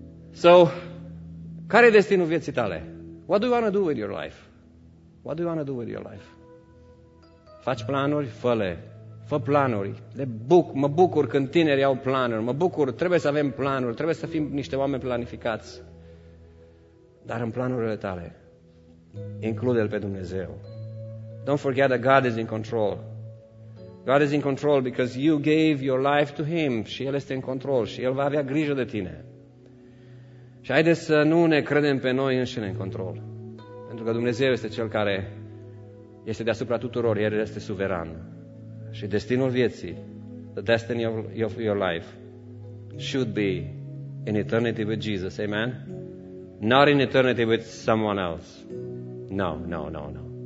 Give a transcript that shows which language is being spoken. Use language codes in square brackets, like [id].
[ro] So, care e destinul vieții tale? [en] What do you want to do with your life? What do you want to do with your life? [ro] Faci planuri? Fă-le. Fă planuri. Mă bucur când tinerii au planuri, mă bucur, trebuie să avem planuri, trebuie să fim niște oameni planificați. Dar în planurile tale, include-L pe Dumnezeu. [en] Don't forget that God is in control. God is in control because you gave your life to Him [ro] și El este în control și El va avea grijă de tine. Și haideți să nu ne credem pe noi înșine în control. Pentru că Dumnezeu este Cel care este deasupra tuturor, El este suveran. Și destinul vieții, [en] the destiny of your life, should be in eternity with Jesus. Amen? Not in eternity with someone else. No.